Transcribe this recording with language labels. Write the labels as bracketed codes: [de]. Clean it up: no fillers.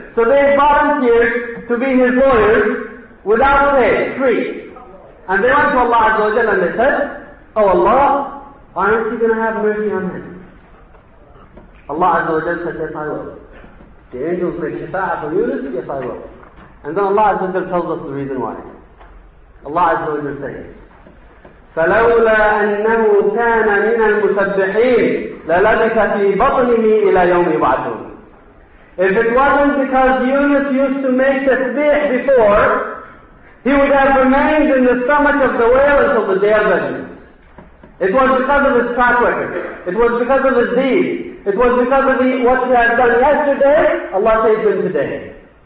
[en] So they volunteered to be his lawyers without pay, free. And they went to Allah Azza wa Jalla and they said, "Oh Allah, aren't you going to have mercy on him?" Allah Azza wa Jalla said, "Yes, I will." The angels make shafa'a for Yunus, "Yes, I will." And then Allah Azza wa Jalla tells us the reason why. Allah Azza wa Jalla says, [ar] فَلَوْلَا أَنَّهُ كَانَ مِنَ الْمُسَبِّحِينَ لَلَبِثَ فِي بَطْنِهِ إِلَى يَوْمِ يُبْعَثُونَ. [en] If it wasn't because Yunus used to make tasbih before, he would have remained in the stomach of the whale until the day of judgment. It was because of his track record. It was because of his deeds. It was because of what he had done yesterday, Allah saved him today.